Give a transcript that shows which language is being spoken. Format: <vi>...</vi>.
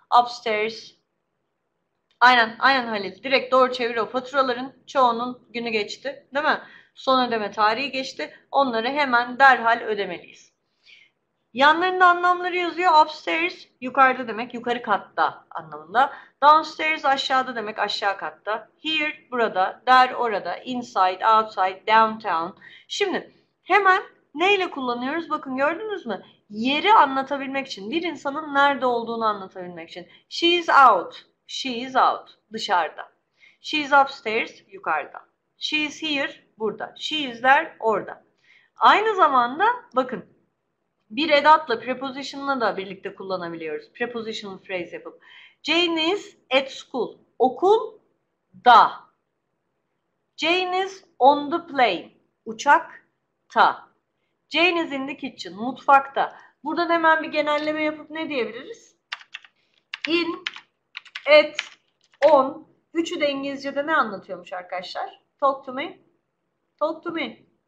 <tr>Upstairs. Aynen. Aynen Halil. Direkt doğru çevir o. Faturaların çoğunun günü geçti. Değil mi? Son ödeme tarihi geçti. Onları hemen derhal ödemeliyiz. Yanlarında anlamları yazıyor. Upstairs yukarıda demek, yukarı katta anlamında. Downstairs aşağıda demek, aşağı katta.</tr> <en>Here burada, there orada, inside, outside, downtown.</en> <tr>Şimdi hemen neyle kullanıyoruz? Bakın gördünüz mü? Yeri anlatabilmek için, bir insanın nerede olduğunu anlatabilmek için.</tr> <en>She's out. She's out. Dışarıda. She's upstairs, yukarıda. She's here, burada. She's there, orada.</en> <tr>Aynı zamanda bakın bir edatla, prepositionla da birlikte kullanabiliyoruz.</tr> <en>Prepositional phrase yapıp. Jane is at school.</en> <tr>Okulda.</tr> <en>Jane is on the plane.</en> <tr>Uçakta.</tr> <en>Jane is in the kitchen,</en> <tr>mutfakta. Buradan hemen bir genelleme yapıp ne diyebiliriz? In, at, on. Üçü de İngilizce'de ne anlatıyormuş arkadaşlar?</tr> <en>Talk to me. Talk to me.</en>